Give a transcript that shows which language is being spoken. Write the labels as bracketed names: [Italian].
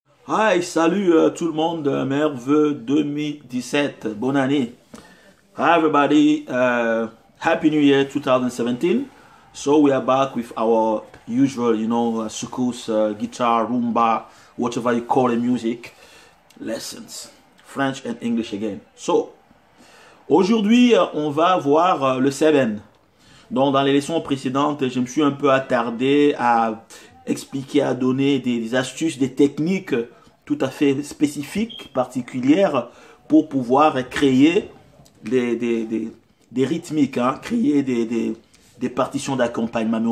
[French] Hi, salut tout le monde, merveilleux 2017, bonne année. [English] Hi everybody, happy new year 2017. So we are back with our usual, soukous, guitar, rumba, whatever you call it, music lessons, French and English again. [French] So, aujourd'hui, on va voir le seven. Donc, dans les leçons précédentes, je me suis un peu attardé à expliquer, à donner des astuces, des techniques tout à fait spécifiques, particulières, pour pouvoir créer des rythmiques, hein, créer des partitions d'accompagnement.